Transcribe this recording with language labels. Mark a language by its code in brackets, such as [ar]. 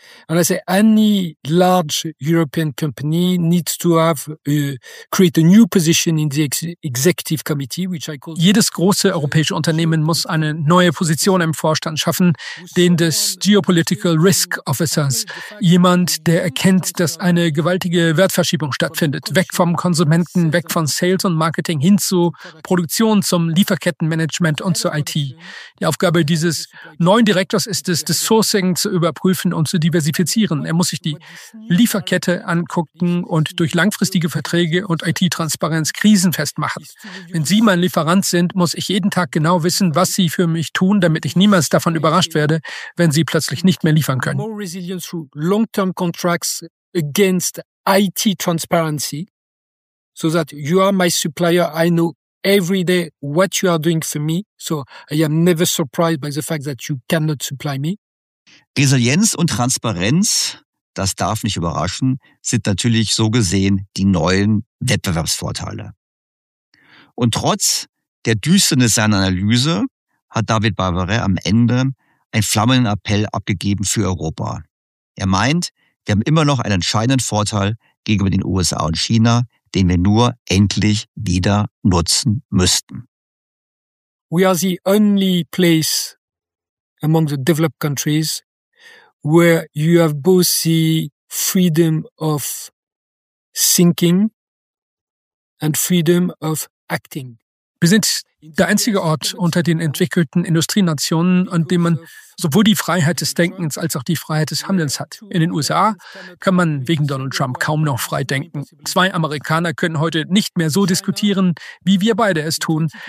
[en] And I say any large European company needs to have create a new position in the executive committee, which I call. [de] Jedes große europäische Unternehmen muss eine neue Position im Vorstand schaffen, den des Geopolitical Risk Officers, jemand, der erkennt, dass eine gewaltige Wertverschiebung stattfindet, weg vom Konsumenten, weg von Sales und Marketing hin zu Produktion, zum Lieferkettenmanagement und zur IT. Die Aufgabe dieses neuen Direktors ist es, das Sourcing zu überprüfen und zu diversifizieren. Er muss sich die Lieferkette angucken und durch langfristige Verträge und IT-Transparenz krisenfest machen. Wenn Sie mein Lieferant sind, muss ich jeden Tag genau wissen, was Sie für mich tun, damit ich niemals davon überrascht werde, wenn Sie plötzlich nicht mehr liefern können. [en] More resilience through long-term contracts against IT transparency, so that you are my supplier, I know every day what you are doing for me, so I am never surprised by the fact that you cannot supply me. [de] Resilienz und Transparenz, das darf nicht überraschen, sind natürlich so gesehen die neuen Wettbewerbsvorteile. Und trotz der Düsternis seiner Analyse hat David Barbaret am Ende einen flammenden Appell abgegeben für Europa. Er meint, wir haben immer noch einen entscheidenden Vorteil gegenüber den USA und China, den wir nur endlich wieder nutzen müssten. [en] We are the only place among the developed countries where you have both the freedom of thinking and freedom of acting. [de] Wir sind der einzige Ort unter den entwickelten Industrienationen, an dem man sowohl die Freiheit des Denkens als auch die Freiheit des Handelns hat. In den USA kann man wegen Donald Trump kaum noch frei denken. Zwei Amerikaner können heute nicht mehr so diskutieren, wie wir beide es tun.